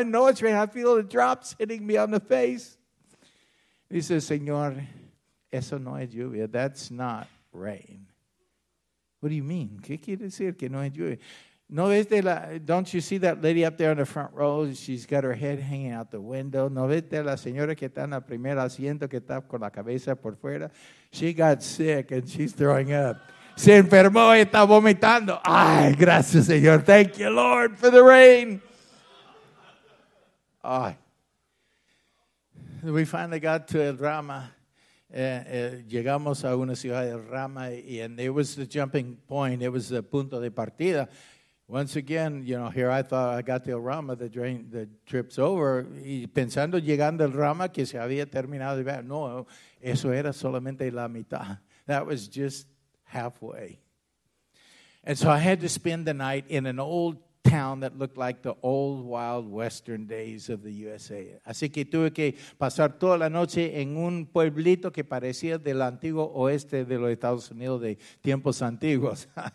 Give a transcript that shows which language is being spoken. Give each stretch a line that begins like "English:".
English: I know it's raining. I feel the drops hitting me on the face. He says,
Spanish: señor, eso no es lluvia.
English: That's not rain. What do you mean?
Spanish: ¿Qué quiere decir que no es lluvia? No, ves de la,
English: don't you see that lady up there in the front row? She's got her head hanging out the window.
Spanish: No, ves de la señora que está en el primer asiento, que está con la cabeza por fuera.
English: She got sick and she's throwing up.
Spanish: Se enfermó y está vomitando. Ay, gracias, señor.
English: Thank you, Lord, for the rain.
Spanish: Ay.
English: We finally got to el drama.
Spanish: Llegamos a una ciudad del drama,
English: and it was the jumping point. It was the
Spanish: punto de partida.
English: Once again, you know, here I thought I got to El Rama, the trip's over.
Spanish: Y pensando llegando al Rama que se había terminado. No, eso era solamente la mitad.
English: That was just halfway. And so I had to spend the night in an old town that looked like the old wild western days of the USA.
Spanish: Así que tuve que pasar toda la noche en un pueblito que parecía del antiguo oeste de los Estados Unidos de tiempos antiguos.